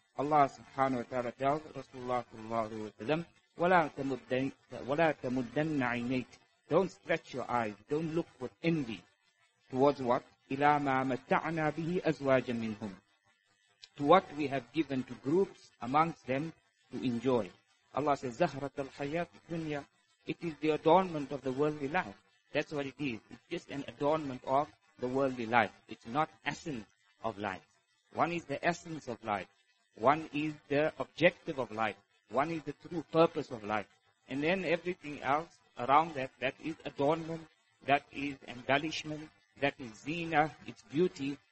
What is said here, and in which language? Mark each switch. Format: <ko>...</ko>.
<en>Allah subhanahu wa ta'ala tells Rasulullah sallallahu alayhi wa sallam,</en> <ar>وَلَا تَمُدَّنَّ عَيْنَيْكَ.</ar> <en>Don't stretch your eyes. Don't look with envy towards what?</en> <ar>إِلَى مَا مَتَّعْنَا بِهِ أَزْوَاجًا مِنْهُمْ.</ar> <en>To what we have given to groups amongst them to enjoy. Allah says,</en> <ar>زَهْرَةَ الْحَيَاةِ الدُّنْيَا.</ar> <en>It is the adornment of the worldly life. That's what it is. It's just an adornment of the worldly life. It's not essence of life. One is the essence of life. One is the objective of life. One is the true purpose of life. And then everything else around that, that is adornment, that is embellishment, that is zina, it's beauty.</en>